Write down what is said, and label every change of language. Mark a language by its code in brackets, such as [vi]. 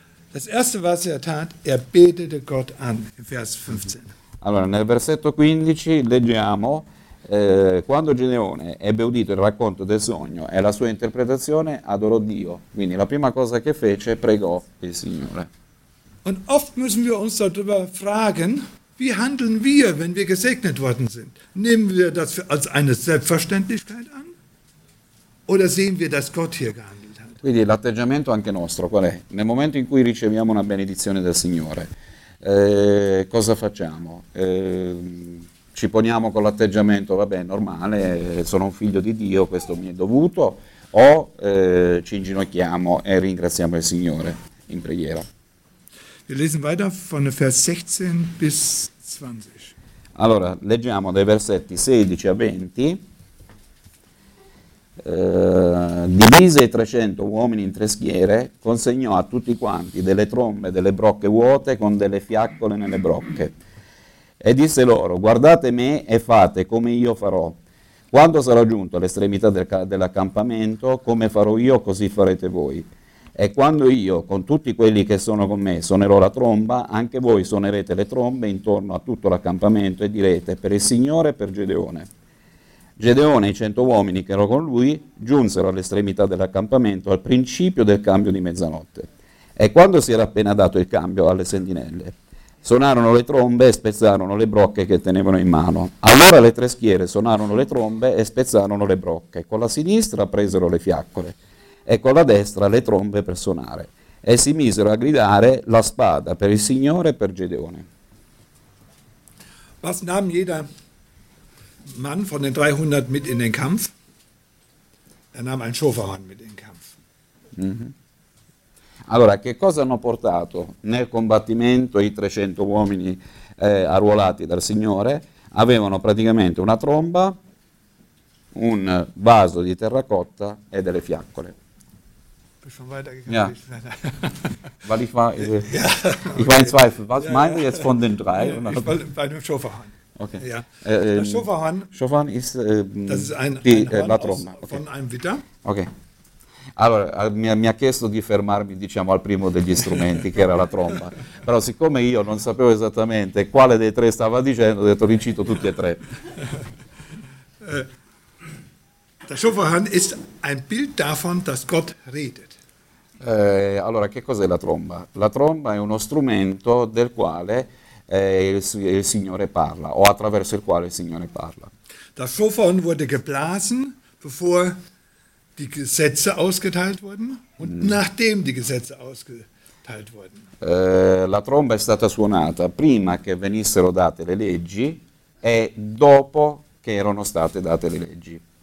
[de] Das erste was er tat, er betete Gott an, Vers 15. [it] Allora, nel versetto 15 leggiamo quando Gedeone ebbe udito il racconto del sogno e la sua interpretazione, adorò Dio. Quindi la prima cosa che fece, pregò il Signore. [de] Und oft müssen wir uns darüber fragen, wie handeln wir, wenn wir gesegnet worden sind? Nehmen wir das als eine Selbstverständlichkeit an? Oder sehen wir, dass Gott hier gehandelt hat? [it] Quindi l'atteggiamento anche nostro, qual è? Nel momento in cui riceviamo una benedizione dal Signore, cosa facciamo? Ci poniamo con l'atteggiamento, vabbè, normale, sono un figlio di Dio, questo mi è dovuto, o ci inginocchiamo e ringraziamo il Signore in preghiera? [de] Wir lesen weiter von Vers 16 bis 20. [it] Allora, leggiamo dai versetti 16 a 20. Divise i 300 uomini in tre schiere, consegnò a tutti quanti delle trombe, delle brocche vuote con delle fiaccole nelle brocche. E disse loro, guardate me e fate come io farò. Quando sarò giunto all'estremità dell'accampamento, come farò io, così farete voi. E quando io, con tutti quelli che sono con me, suonerò la tromba, anche voi suonerete le trombe intorno a tutto l'accampamento e direte per il Signore e per Gedeone. Gedeone e i 100 uomini che erano con lui giunsero all'estremità dell'accampamento al principio del cambio di mezzanotte. E quando si era appena dato il cambio alle sentinelle, suonarono le trombe e spezzarono le brocche che tenevano in mano. Allora le tre schiere suonarono le trombe e spezzarono le brocche. Con la sinistra presero le fiaccole. e con la destra le trombe per suonare. E si misero a gridare la spada per il Signore e per Gedeone. [de] Was nahm jeder Mann von den 300 mit in den Kampf? Er nahm ein Schofahorn mit in den Kampf. [it] Allora, che cosa hanno portato nel combattimento i 300 uomini arruolati dal Signore? Avevano praticamente una tromba, un vaso di terracotta e delle fiaccole. [de] Ja. Weil ich war, ich, ja, okay. Ich war in Zweifel. Was ja, meinst du jetzt von den drei? Ich war bei dem Schofahorn. Okay. Ja. Das Schofahorn, Schofahorn ist, das ist ein, die, ein Horn aus, okay. Von einem Witter. Okay. [it] Allora, mi ha chiesto di fermarmi, diciamo, al primo degli strumenti, che era la tromba. Però siccome io non sapevo esattamente quale dei tre stava dicendo, ho detto, li cito tutti e tre. [de] Der Schofahorn ist ein Bild davon, dass Gott redet. [it] Allora, che cos'è la tromba? La tromba è uno strumento del quale il Signore parla, o attraverso il quale il Signore parla. [de] Das Schofahorn wurde geblasen, bevor die Gesetze ausgeteilt wurden und nachdem die Gesetze ausgeteilt wurden. [it] La tromba è stata suonata prima che venissero date le leggi e dopo che erano state date le leggi.